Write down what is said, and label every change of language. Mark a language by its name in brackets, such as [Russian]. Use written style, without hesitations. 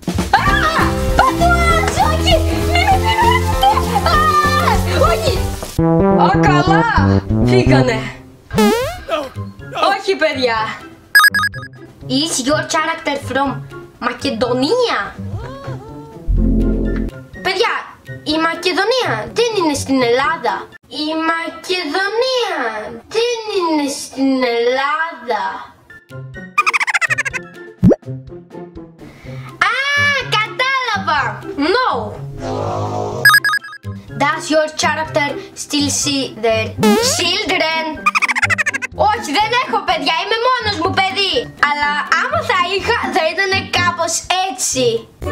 [English] Ants! [Greek] Όχι! Μην με πειράζετε! Όχι! Α, καλά! Φύγανε! Όχι, παιδιά! [English] Is your character from Macedonia? [Greek] Παιδιά, η Μακεδονία δεν είναι στην Ελλάδα. Η Μακεδονία δεν είναι στην Ελλάδα. Α, κατάλαβα! [English] No! Does your character still see their children? [Greek] Όχι, δεν έχω παιδιά, είμαι μόνος μου παιδί. Αλλά άμα θα είχα, θα ήταν κάπως έτσι.